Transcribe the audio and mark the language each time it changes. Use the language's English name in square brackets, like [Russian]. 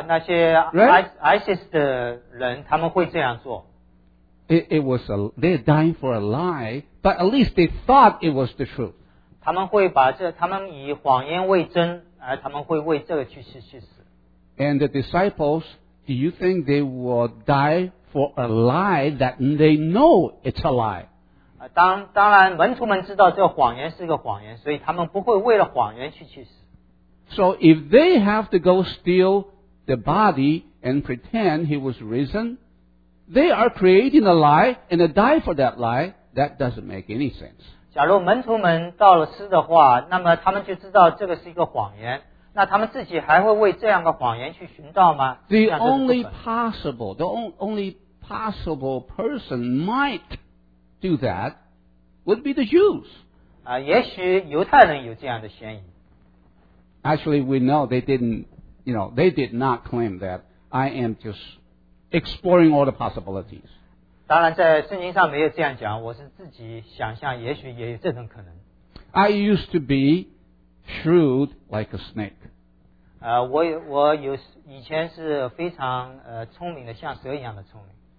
[Chinese] 那些 ISIS 的人他们会这样做。 [English] They're dying for a lie, but at least they thought it was the truth. [Chinese] 他们会把这他们以谎言为真，而他们会为这个去死。 [English] And the disciples, do you think they will die for a lie that they know it's a lie? [Chinese] 当然门徒们知道这个谎言是个谎言，所以他们不会为了谎言去死。 [English] So if they have to go steal the body and pretend he was risen, they are creating a lie and they die for that lie. That doesn't make any sense. [Chinese] 假如门徒们盗了尸的话，那么他们就知道这个是一个谎言。那他们自己还会为这样的谎言去寻道吗？ [English] The only possible person might do that would be the Jews. [Chinese] 也许犹太人有这样的嫌疑。 [English] Actually, we know they did not claim that. I am just exploring all the possibilities. [Chinese] 当然在圣经上没有这样讲，我是自己想象，也许也有这种可能。 [English] I used to be shrewd like a snake. [Chinese] 我以前是非常聪明的，像蛇一样的聪明。